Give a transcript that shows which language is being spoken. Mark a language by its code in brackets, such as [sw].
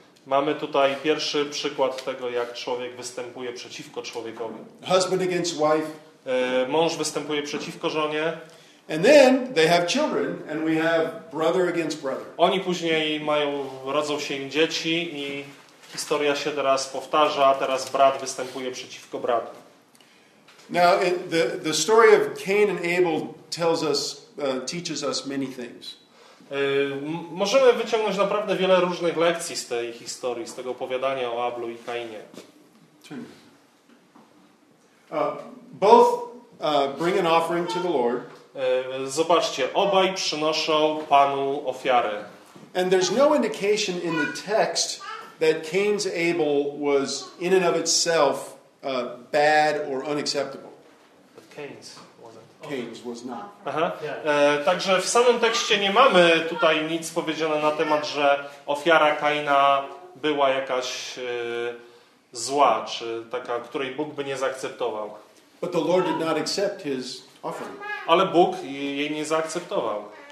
[pl] Mamy tutaj pierwszy przykład tego, jak człowiek występuje przeciwko człowiekowi. [en] Husband against wife. [pl] Mąż występuje przeciwko żonie. [en] And then they have children and we have brother against brother. [pl] Oni później rodzą się im dzieci i historia się teraz powtarza, teraz brat występuje przeciwko bratu. [en] Now the story of Cain and Abel tells us teaches us many things. [pl] Możemy wyciągnąć naprawdę wiele różnych lekcji z tej historii, z tego opowiadania o Ablu i Kainie. [en] Turn. Both bring an offering to the Lord. [pl] Zobaczcie, obaj przynoszą Panu ofiarę. [en] And there's no indication in the text that Cain's Abel was in and of itself bad or unacceptable. But Cain's was not. [pl] Także w samym tekście nie mamy tutaj nic powiedziane na temat, że ofiara Kaina była jakaś zła, czy taka, której Bóg by nie zaakceptował. [en] But the Lord did not accept his offering. [pl] Ale Bóg jej nie zaakceptował.